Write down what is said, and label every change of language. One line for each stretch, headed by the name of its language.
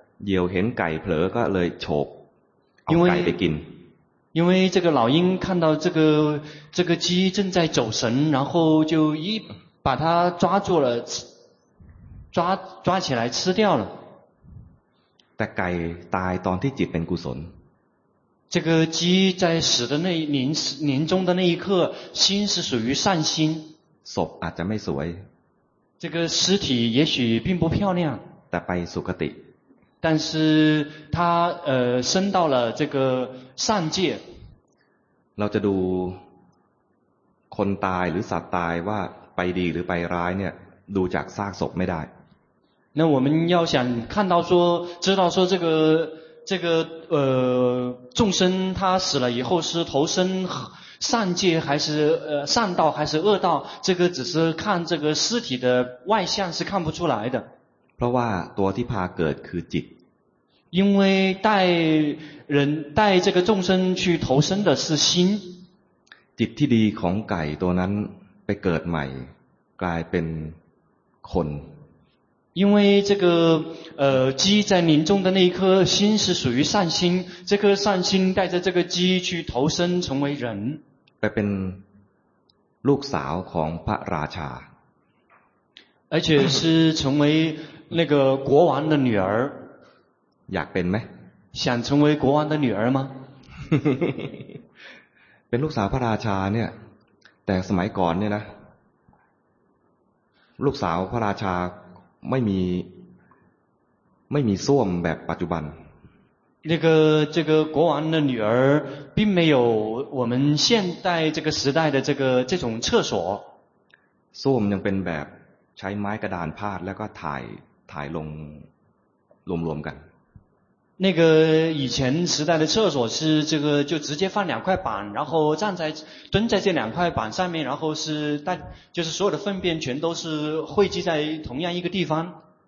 Thai: 有เห็นไก่เผลอก็เลยโฉบเอาไก่ไปกิน
Chinese: 因为这个老鹰看到这个鸡正在走神，然后就一把它抓住了，抓起来吃掉了。
Thai: ไก่ตายตอนที่จิตเป็นกุศล。
Chinese: 这个鸡在死的那临终的那一刻，心是属于善心。
Thai: ศพอาจจะไม่สวย。
Chinese: 这个尸体也许并不漂亮。
Thai: แต่ไปสุคติ。
Chinese: 但是他升到了这个善界。
Thai: เราจะดูคนตายหรือสัตว์ตายว่าไปดีหรือไปร้ายเนี่ยดูจากซากศพไม่ได้
Chinese: 那我们要想看到说知道说这个众生他死了以后是投身善界还是善道还是恶道这个只是看这个尸体的外相是看不出来的
Thai: เพราะว่าตัวที่พาเกิดคือจิต
Chinese: 因为带人带这个众生去投身的是心
Thai: จิตที่ดีของไก่ตัวนั้นไปเกิดใหม่กลายเป็นคน
Chinese: 因为这个鸡在临终的那一颗心是属于善心这颗善心带着这个鸡去投身成为人
Thai: ไปเป็นลูกสาวของพระราชา
Chinese: 而且是成为那个国王的女儿
Thai: อยากเป็นไหม
Chinese: 想成为国王的女儿吗
Thai: เป็นลูกสาวพระราชาเนี่ยแต่สมัยก่อนเนี่ยนะลูกสาวพระราชาไม่มีส้วมแบบปัจจุบัน
Chinese: 那个这个国王的女儿并没有我们现代这个时代的这种厕所
Thai: ส้วมยังเป็นแบบใช้ไม้กระดานพาดแล้วก็ถ่ายลงรวมๆกัน
Chinese: 那个以前时代的厕所是这个就直接放两块板然后蹲在这两块板上面然后是带就是所有的粪便全都是汇集在同样一个地方